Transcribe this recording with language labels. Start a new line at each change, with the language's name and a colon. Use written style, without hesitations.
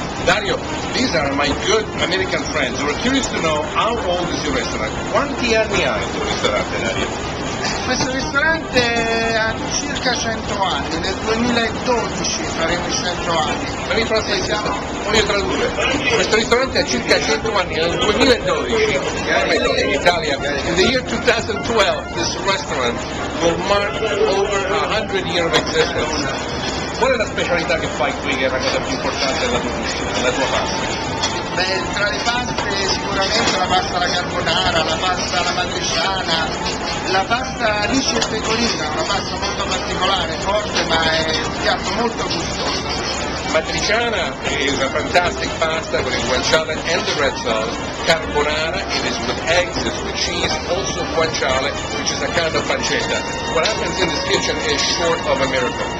English: Dario, these are my good American friends who are curious to know how old is your restaurant.
Italian: Quanti anni ha il tuo ristorante, Dario? Questo ristorante ha circa 100 anni, nel 2012 faremo 100 anni. Per i francesi, voglio tradurre. Questo ristorante ha circa 100 anni, nel 2012. Capito? In Italia,
English: in the year 2012, this restaurant will mark over 100 years of existence.
Italian: Qual è la specialità che fai qui, che è la cosa più importante della tua pasta? Beh, tra le paste sicuramente la pasta alla carbonara, la pasta alla matriciana, la pasta ricci e pecorina, una pasta molto particolare, forte, ma è un piatto molto gustoso. Matriciana è una
English: fantastic pasta
Italian: con il guanciale
English: and the red sauce. Carbonara, it is with eggs, it's with cheese, also guanciale, which is a kind of pancetta. What happens in this kitchen is short of a miracle.